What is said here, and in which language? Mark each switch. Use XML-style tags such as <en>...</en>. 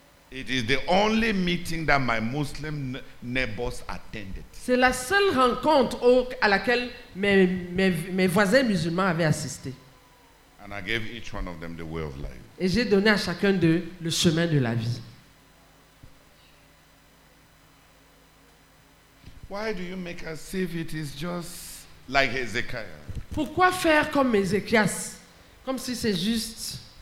<en>It is the only meeting that my Muslim neighbors attended.</en> <fr>C'est la seule rencontre à laquelle mes voisins musulmans avaient assisté.</fr> <en>And I gave each one of them the way of life.</en> <fr>Et j'ai donné à chacun d'eux le chemin de la vie.</fr> <en>Why do you make us see if it is just like Hezekiah?</en> <fr>Pourquoi faire comme Ézéchias? Comme si c'est juste.</fr>